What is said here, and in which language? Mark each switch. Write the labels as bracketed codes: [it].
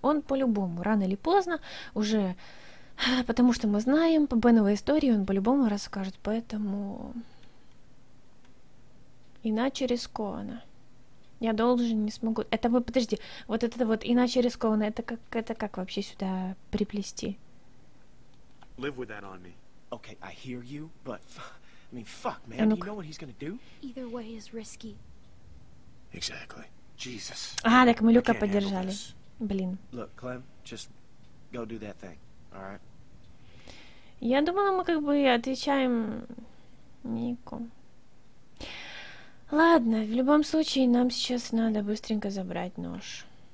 [ru] Он по-любому, рано или поздно, уже, потому что мы знаем по Беновой истории, он по-любому расскажет, поэтому иначе рискованно. Я должен, не смогу. Это вы, подожди, вот это вот иначе рискованно, это как вообще сюда приплести? [en] Live with that on me. Okay, I hear you, but I mean, fuck, man, you know what he's gonna do? Either way is risky. Exactly. Jesus. [ru] А, так мы Люка поддержали. Блин. [en] Look, Clem, just go do that thing, all right? [ru] Я думала, мы как бы отвечаем Нику. Ладно, в любом случае, нам сейчас надо быстренько забрать нож.